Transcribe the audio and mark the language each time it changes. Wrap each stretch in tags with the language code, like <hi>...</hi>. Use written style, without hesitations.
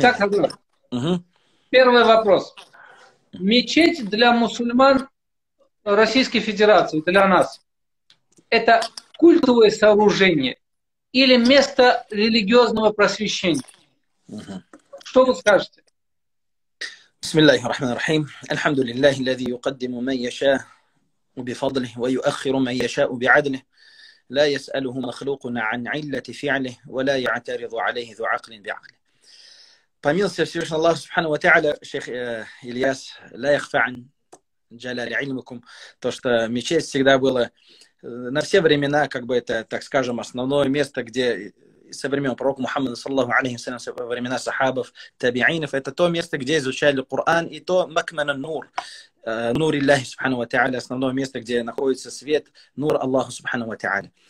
<ru>Так, первый вопрос. Мечеть для мусульман Российской Федерации, для нас, это культовое сооружение или место религиозного просвещения? Что вы скажете?</ru> <ar>بسم الله الرحمن الرحيم الحمد لله الذي يقدم من يشاء بفضله ويؤخر من يشاء بعدله لا يسأله مخلوق عن علة فعله ولا يعترض عليه ذو عقل بعقله. فمن سبحان الله سبحانه وتعالى شيخ إلياس لا يخفى عن جلال علمكم</ar> <ru>то что мечеть всегда была на все времена, как бы это, так скажем, основное место, где со времен пророка Мухаммада, саллаллаху алейхи ва саллям, со времена сахабов, табиинов, это то место, где изучали Коран, и то макмана нур, нур Аллаха субхану ва тааля, основное место, где находится свет, нур Аллаха субхану ва тааля.</ru>